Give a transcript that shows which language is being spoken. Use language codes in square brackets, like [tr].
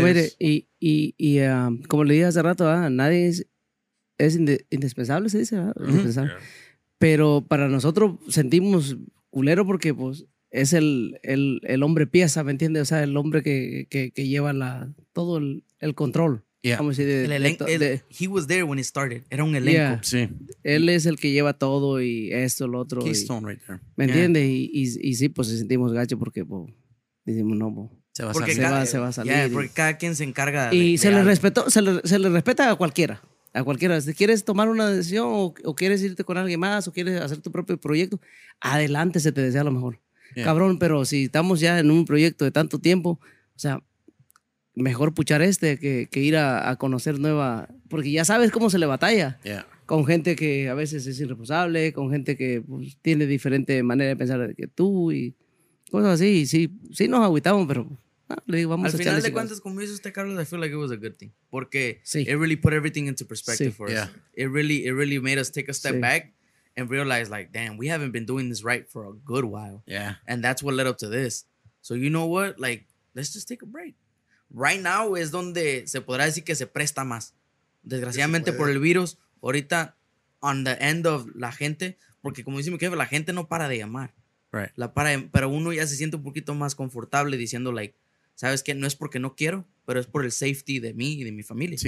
[es] No, mire, y como le dije hace rato, ¿verdad? Nadie es indispensable, se dice, ¿verdad? Mm-hmm. Indispensable. Yeah. Pero para nosotros sentimos culero porque pues es el hombre pieza, ¿me entiendes? O sea, el hombre que lleva todo el control. [en] Yeah. [es] Como si de, el elenco, [en] he was there when it started. [es] Era un elenco. Yeah. Sí. Él es el que lleva todo y esto, lo otro. [en] Keystone [es] y, [en] right there. [es] ¿Me entiendes? Y sí, pues sentimos gacho porque decimos no, se va a salir. Yeah, porque cada quien se encarga. Y se le respeta a cualquiera. A cualquiera. Si quieres tomar una decisión o quieres irte con alguien más o quieres hacer tu propio proyecto, adelante, se te desea lo mejor. Yeah. Cabrón, pero si estamos ya en un proyecto de tanto tiempo, o sea. Mejor puchar que ir a conocer nueva... Porque ya sabes cómo se le batalla. [en] Yeah. [es] Con gente que a veces es irresponsable, con gente que pues, tiene diferente manera de pensar que tú y cosas así. Y sí nos agüitamos, pero le digo, vamos al a final de cuentas, como dice usted, Carlos, [en] I feel like it was a good thing. Porque it really put everything into perspective for us. Yeah. It really made us take a step back and realize like, damn, we haven't been doing this right for a good while. Yeah. And that's what led up to this. So you know what? Like, let's just take a break. [es] Right now es donde se podrá decir que se presta más. Desgraciadamente por el virus, ahorita [en] on the end of [es] la gente, porque como dice mi jefe, la gente no para de llamar. [en] Right. [es] Pero uno ya se siente un poquito más confortable diciendo like, ¿sabes qué? No es porque no quiero, pero es por el safety de mí y de mi familia.